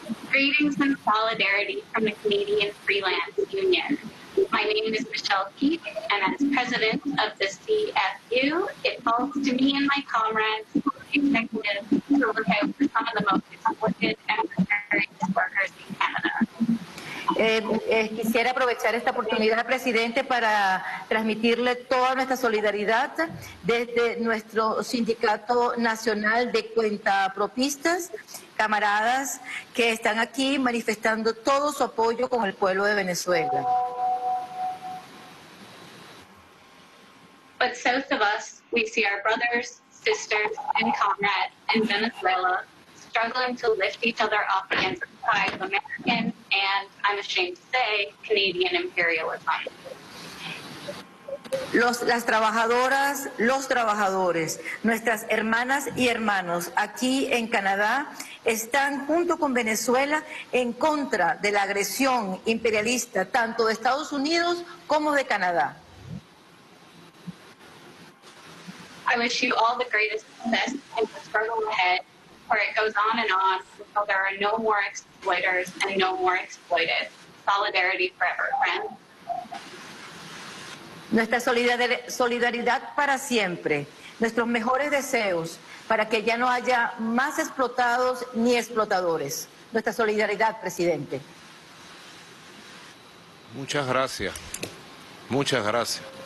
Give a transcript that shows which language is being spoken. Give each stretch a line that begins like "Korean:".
English: Greetings and solidarity from the Canadian Freelance Union. My name is Michelle Keith, and as president of the CFU, it falls to me and my comrades, executives, to look out for some of the most exploited and precarious workers in Canada.
Spanish: Quisiera aprovechar esta oportunidad, presidente, para transmitirle toda nuestra solidaridad desde nuestro Sindicato Nacional de Cuentapropistas, camaradas, que están aquí manifestando todo su apoyo con el pueblo de Venezuela.
English: But south of us, we see our brothers, sisters, and comrades in Venezuela struggling to lift each other up against the pride of American and, I'm ashamed to say, Canadian imperialism.
Spanish: Las trabajadoras, los trabajadores, nuestras hermanas y hermanos aquí en Canadá están junto con Venezuela en contra de la agresión imperialista tanto de Estados Unidos como de Canadá.
English: I wish you all the greatest success in the struggle ahead, where it goes on and on until there are no more exploiters and no more exploited. Solidarity forever, friends.
Spanish: Nuestra solidaridad para siempre. Nuestros mejores deseos para que ya no haya más explotados ni explotadores. Nuestra solidaridad, presidente. Muchas gracias. Muchas gracias.